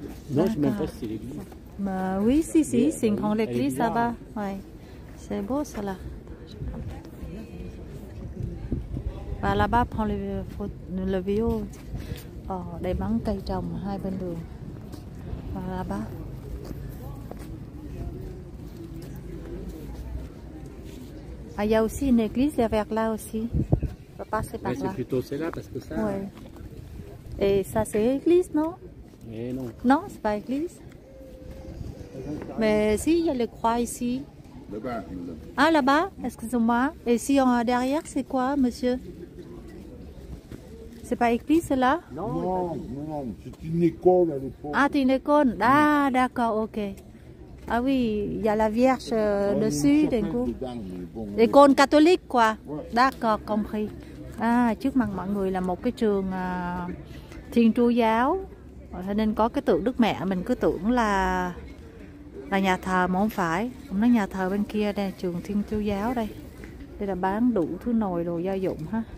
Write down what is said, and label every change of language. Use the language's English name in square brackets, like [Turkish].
[French] non, je m'en passe, c'est l'église. Bah, oui, si, si, c'est une grande église là-bas. Ouais. C'est beau, ça, là. Bah, là-bas, prends le vélo. [Vietnamese] Oh, để bán cây trồng hai bên đường. Và là-bas. [French] Ah, il y a aussi une église derrière là aussi. On va passer par là. C'est plutôt celle-là parce que ça. Ouais. Et ça, c'est l'église, non? Non. Non, c'est pas l'église. Mais si, il y a le croix ici. Là-bas. Ah, là-bas, excusez-moi. Et si on a derrière, c'est quoi, monsieur? C'est pas l'église, là? Non, c'est une école à l'époque. Ah, c'est une école? Ah, d'accord, ok. Ah oui, il y a la Vierge dessus, d'un coup. L'école catholique, quoi? Ouais. D'accord, compris. [Vietnamese] À, trước mặt mọi người là một cái trường Thiên Chúa giáo, nên có cái tượng Đức Mẹ, mình cứ tưởng là nhà thờ mà không phải. Ông nói nhà thờ bên kia đây, trường Thiên Chúa giáo đây. Đây là bán đủ thứ nồi đồ gia dụng ha.